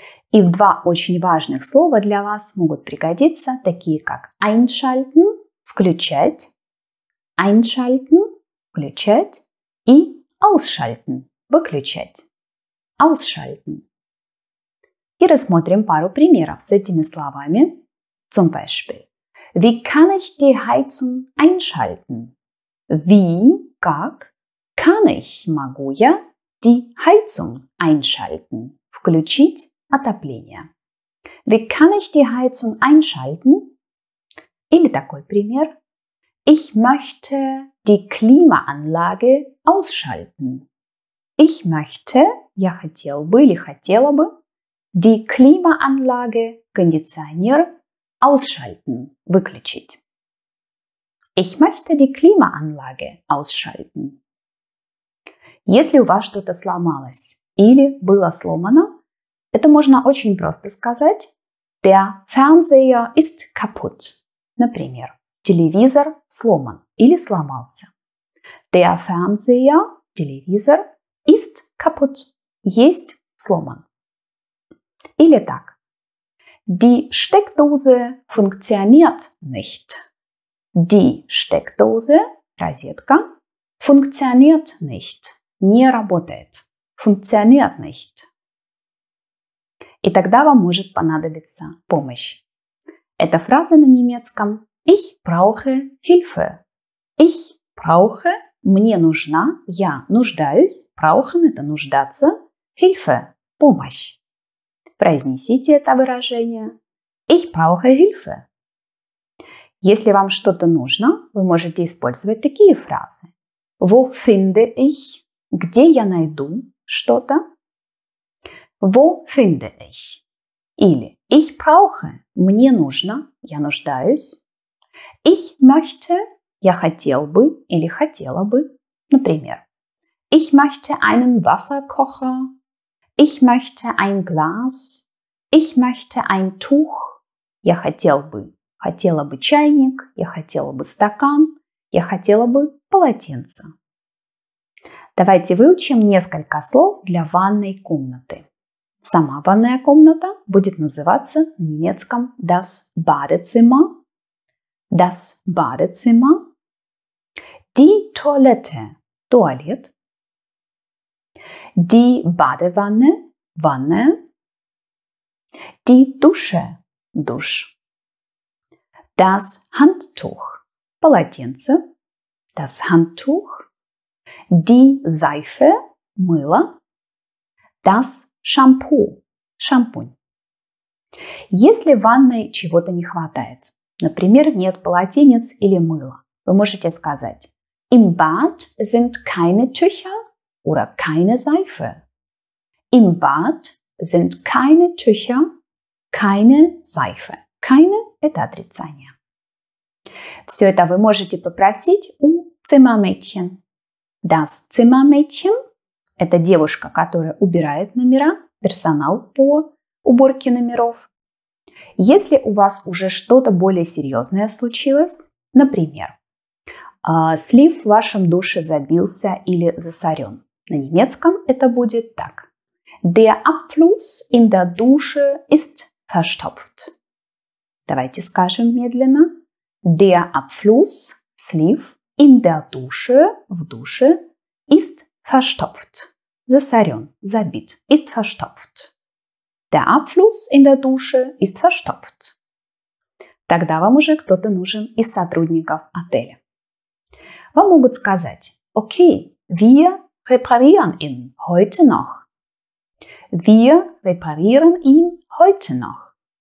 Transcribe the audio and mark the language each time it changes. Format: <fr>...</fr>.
<ru>И в два очень важных слова для вас могут пригодиться такие как einschalten, включать, einschalten, включать и ausschalten, выключать, ausschalten. И рассмотрим пару примеров с этими словами.</ru> <de>Zum Beispiel, wie kann ich die Heizung einschalten? Wie,</de> <ru>как,</ru> <de>kann ich,</de> <ru>могу я,</ru> <de>die Heizung einschalten,</de> <ru>включить? Отопление.</ru> <de>Wie kann ich die Heizung einschalten?</de> <ru>Или такой пример.</ru> <de>Ich möchte die Klimaanlage ausschalten. Ich möchte,</de> <ru>я хотел бы или хотела бы, die Klimaanlage, кондиционер, ausschalten, выключить.</ru> <de>Ich möchte die Klimaanlage ausschalten.</de> <ru>Если у вас что-то сломалось или было сломано, это можно очень просто сказать.</ru> <de>Der Fernseher ist kaputt.</de> <ru>Например, телевизор сломан или сломался.</ru> <de>Der Fernseher,</de> <ru>телевизор,</ru> <de>ist kaputt.</de> <ru>Есть сломан. Или так.</ru> <de>Die Steckdose funktioniert nicht. Die Steckdose,</de> <ru>розетка,</ru> <de>funktioniert nicht.</de> <ru>Не работает.</ru> <de>Funktioniert nicht.</de> <ru>И тогда вам может понадобиться помощь. Эта фраза на немецком</ru> <de>Ich brauche Hilfe. Ich brauche,</de> <ru>мне нужна, я нуждаюсь, brauchen – это нуждаться, Hilfe – помощь. Произнесите это выражение</ru> <de>Ich brauche Hilfe.</de> <ru>Если вам что-то нужно, вы можете использовать такие фразы.</ru> <de>Wo finde ich?</de> <ru>Где я найду что-то?</ru> <de>Wo finde ich?</de> <ru>Или</ru> <de>Ich brauche,</de> <ru>мне нужно, я нуждаюсь.</ru> <de>Ich möchte,</de> <ru>я хотел бы или хотела бы.</ru> <de>Например, ich möchte einen Wasserkocher. Ich möchte ein Glas. Ich möchte ein Tuch.</de> <ru>Я хотел бы, хотела бы чайник, я хотела бы стакан, я хотела бы полотенце. Давайте выучим несколько слов для ванной комнаты. Сама ванная комната будет называться на немецком das Badezimmer.</ru> <de>Das Badezimmer. Die Toilette.</de> <ru>Туалет.</ru> <de>Die Badewanne.</de> <ru>Ванна.</ru> <de>Die Dusche.</de> <ru>Душ.</ru> <de>Das Handtuch.</de> <ru>Полотенце.</ru> <de>Das Handtuch. Die Seife.</de> <ru>Мыло.</ru> <de>Das Shampoo.</de> <ru>Шампунь. Если в ванной чего-то не хватает, например, нет полотенец или мыла, вы можете сказать</ru> <de>Im Bad sind keine Tücher oder keine Seife. Im Bad sind keine Tücher, keine Seife. Keine</de> <ru>– это отрицание. Все это вы можете попросить у Zimmermädchen. Das Zimmermädchen – это девушка, которая убирает номера, персонал по уборке номеров. Если у вас уже что-то более серьезное случилось, например, слив в вашем душе забился или засорен. На немецком это будет так.</ru> <de>Der Abfluss in der Dusche ist verstopft.</de> <ru>Давайте скажем медленно.</ru> <de>Der Abfluss,</de> <ru>слив,</ru> <de>in der Dusche,</de> <ru>в душе,</ru> <de>ist verstopft.</de> <ru>Засорен, забит,</ru> <de>ist verstopft. Der Abfluss in der Dusche ist verstopft.</de> <ru>Тогда вам уже кто-то нужен из сотрудников отеля. Вам могут сказать, окей,</ru> <de>wir reparieren ihn heute noch. Wir reparieren ihn heute noch.</de>